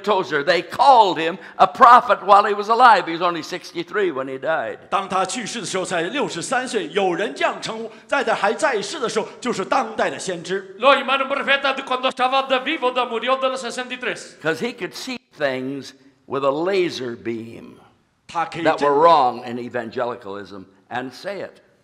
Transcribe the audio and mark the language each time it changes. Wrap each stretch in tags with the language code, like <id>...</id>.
<en>Tozer, they called him a prophet while he was alive. He was only 63 when he died.</en> <zh>当他去世的时候才63岁, 有人这样称呼, 在他还在世的时候, 就是当代的先知。</zh> <es>Lo llamaron profeta cuando estaba de vivo, de murió de los 63.</es> <en>Because he could see things with a laser beam that were wrong in evangelicalism and say it.</en>